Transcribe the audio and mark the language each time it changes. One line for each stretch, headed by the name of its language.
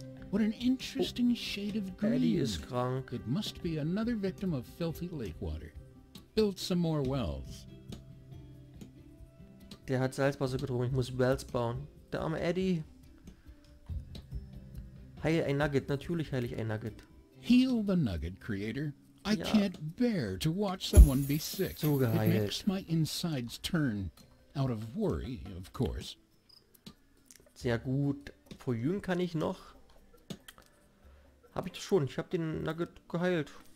English: What an interesting shade of green.
German: Eddie ist krank.
English: It must be another victim of filthy lake water. Build some more wells.
German: Der hat Salzwasser getrunken. Ich muss Wells bauen. Der arme Eddie. Heil ein Nugget. Natürlich heile ich ein Nugget.
English: Heal the Nugget, Creator. I can't bear to watch someone be sick.
German: So geheilt.
English: It makes my insides turn out of worry, of course.
German: Sehr gut. Verjüngen kann ich noch. Hab ich das schon? Ich hab den Nugget geheilt.